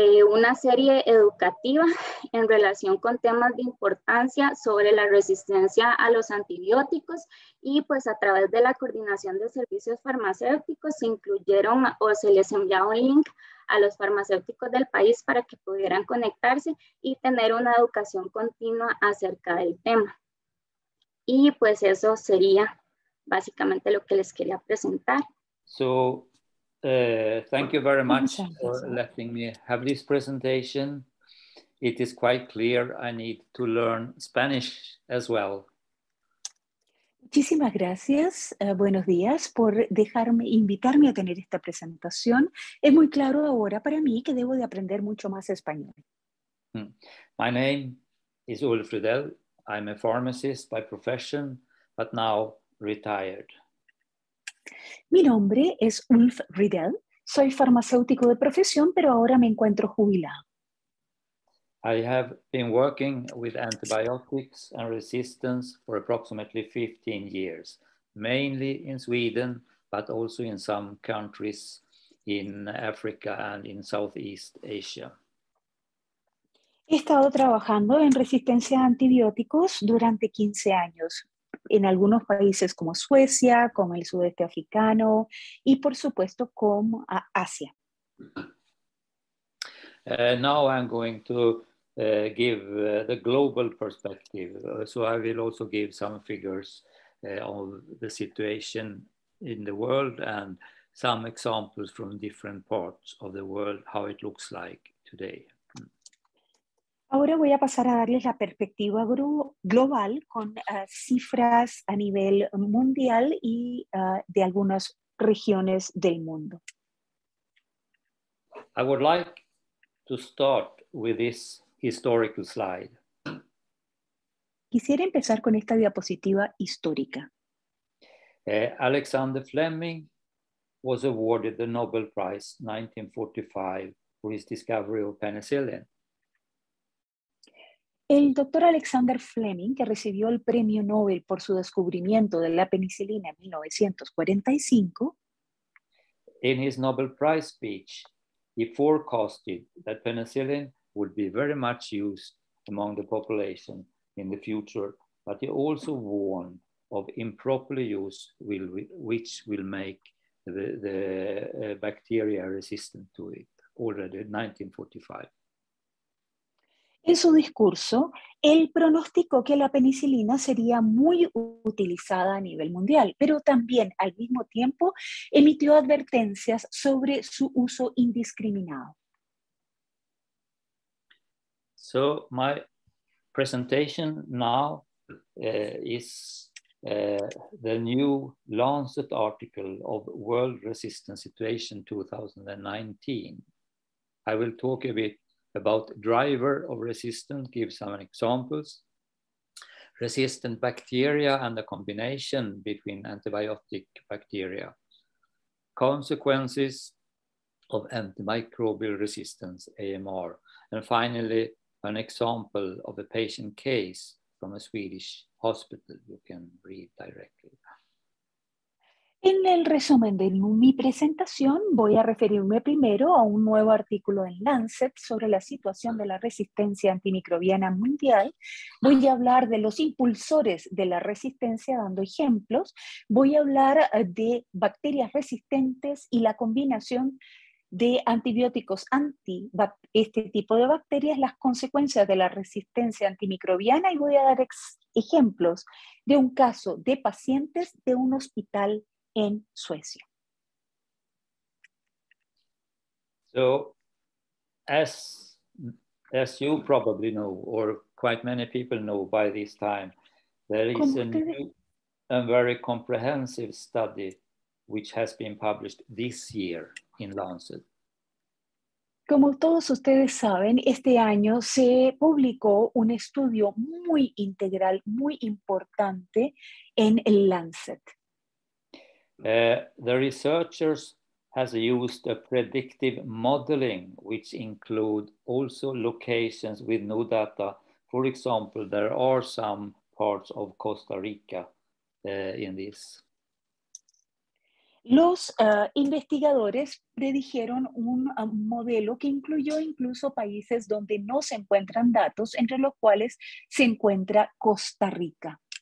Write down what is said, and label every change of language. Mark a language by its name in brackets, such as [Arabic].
[Spanish] una serie educativa en relación con temas de importancia sobre la resistencia a los antibióticos y pues a través de la coordinación de servicios farmacéuticos se incluyeron o se les enviaba un link a los farmacéuticos del país para que pudieran conectarse y tener una educación continua acerca del tema. Y pues eso sería básicamente lo que les quería presentar. [English] Thank you very much for letting me have this presentation. It is quite clear I need to learn Spanish as well. [Spanish] Muchísimas gracias, buenos días, por dejarme, invitarme a tener esta presentación. Es muy claro ahora para mí que debo de aprender mucho más español. [English] My name is Ulf Riedel. I'm a pharmacist by profession, but now retired. [Spanish] Mi nombre es Ulf Riedel. Soy farmacéutico de profesión, pero ahora me encuentro jubilado. [English] I have been working with antibiotics and resistance for approximately 15 years, mainly in Sweden, but also in some countries in Africa and in Southeast Asia. [Spanish] He estado trabajando en resistencia a antibióticos durante 15 años, en algunos países como Suecia, como el sudeste africano, y por supuesto como Asia. [English] Now I'm going to give the global perspective. So I will also give some figures on the situation in the world and some examples from different parts of the world, how it looks like today. [Spanish] Ahora voy a pasar a darles la perspectiva global con cifras a nivel mundial y de algunas regiones del mundo. [English] I would like to start with this historical slide. [Spanish] Quisiera empezar con esta diapositiva histórica. [English] Alexander Fleming was awarded the Nobel Prize 1945 for his discovery of penicillin. [Spanish] El doctor Alexander Fleming, que recibió el premio Nobel por su descubrimiento de la penicilina en 1945, [English] in his Nobel Prize speech, he forecasted that penicillin would be very much used among the population in the future, but he also warned of improper use which will make the bacteria resistant to it, already in 1945. [Spanish] En su discurso, él pronosticó que la penicilina sería muy utilizada a nivel mundial, pero también al mismo tiempo emitió advertencias sobre su uso indiscriminado. [English] So my presentation now is the new Lancet article of World Resistance Situation 2019. I will talk a bit about driver of resistance, give some examples. Resistant bacteria and the combination between antibiotic bacteria. Consequences of antimicrobial resistance, AMR. And finally, an example of a patient case from a Swedish hospital you can read directly. [Spanish] En el resumen de mi presentación, voy a referirme primero a un nuevo artículo en Lancet sobre la situación de la resistencia antimicrobiana mundial. Voy a hablar de los impulsores de la resistencia, dando ejemplos. Voy a hablar de bacterias resistentes y la combinación de antibióticos anti este tipo de bacterias, las consecuencias de la resistencia antimicrobiana, y voy a dar ejemplos de un caso de pacientes de un hospital en Suecia. [English] So, as you probably know, or quite many people know by this time, there is a new and very comprehensive study which has been published this year in Lancet. [Spanish] Como todos ustedes saben, este año se publicó un estudio muy integral, muy importante en el Lancet. [English] The researchers has used a predictive modeling, which include also locations with no data. For example, there are some parts of Costa Rica in this. [Spanish] Los investigadores predijeron un modelo que incluyó incluso países donde no se encuentran datos, entre los cuales se encuentra Costa Rica.